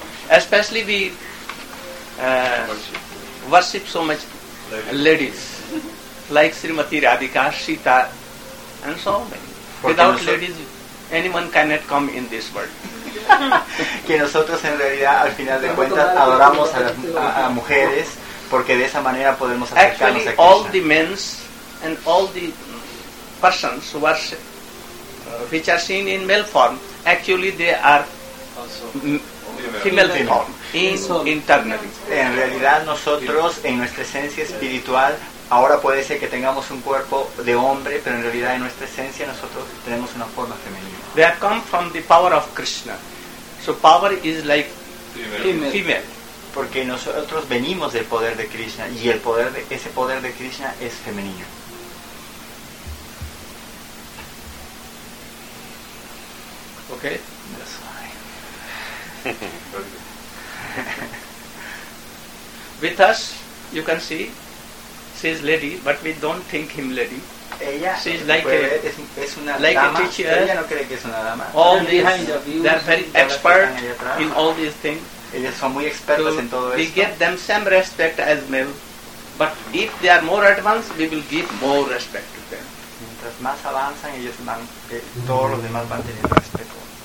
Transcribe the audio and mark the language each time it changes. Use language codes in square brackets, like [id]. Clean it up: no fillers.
[en] Especially we worship so much ladies, like Srimati Radhika, Sita, and so many. Without ladies, anyone cannot come in this world. [es] Que nosotros en realidad, al final de cuentas, adoramos a mujeres. Porque de esa manera podemos acercarnos [en] actually, [es] a Krishna. [en] All the men and all the persons who are, which are seen in male form, actually they are female form, internally. [es] En realidad nosotros, en nuestra esencia espiritual, ahora puede ser que tengamos un cuerpo de hombre, pero en realidad en nuestra esencia nosotros tenemos una forma femenina. [en] They have come from the power of Krishna. So power is like female. [es] Porque nosotros venimos del poder de Krishna y el poder de ese poder de Krishna es femenino. [en] Okay. That's fine. With us, you can see, she is lady, but we don't think him lady. [es] Ella [en] she is like [es] puede, a, es una [en] like [es] dama. [en] A teacher. [es] Ella no cree que es una dama. [en] All these, they are very expert in all these things. [es] Ellas son muy expertas en todo esto. [en] We get them same respect as male, but if they are more advanced, we will give more respect to them. [es] Mientras más avanzan, ellos van, todos los demás van teniendo respeto.